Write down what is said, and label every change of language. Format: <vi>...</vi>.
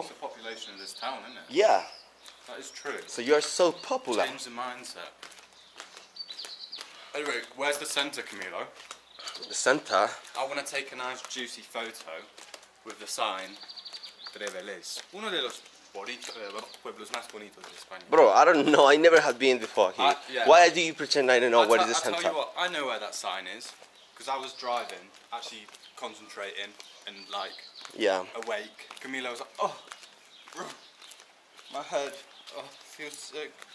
<en>It's the population of this town, isn't it? Yeah. That is true. So you are so popular. Change the mindset. Anyway, where's the center, Camilo? The center? I want to take a nice juicy photo with the sign, Treveles.</en> <es>Uno de los pueblos más bonitos de España.</es> <en>Bro, I don't know. I never have been before here. Why do you pretend I don't know where is the center? I'll tell you what, I know where that sign is. Because I was driving, actually concentrating and like... Yeah. Awake. Camilo was like, oh, bro, my head, oh, feels sick.</en>